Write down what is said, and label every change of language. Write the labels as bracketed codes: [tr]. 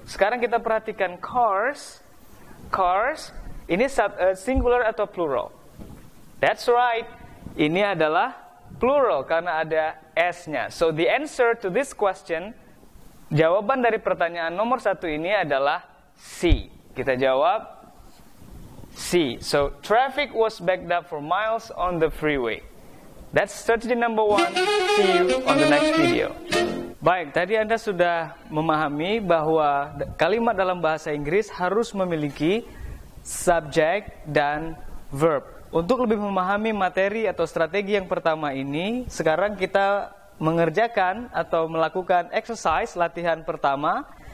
[id] Sekarang kita perhatikan cars, ini singular atau plural? [en] That's right, [id] ini adalah plural karena ada S-nya. [en] So the answer to this question, [id] jawaban dari pertanyaan nomor 1 ini adalah C. Kita jawab C. [en] So traffic was backed up for miles on the freeway. That's strategy number 1. See you on the next video. [id] Baik, tadi Anda sudah memahami bahwa kalimat dalam bahasa Inggris harus memiliki subject dan verb. Untuk lebih memahami materi atau strategi yang pertama ini, sekarang kita mengerjakan atau melakukan exercise latihan pertama.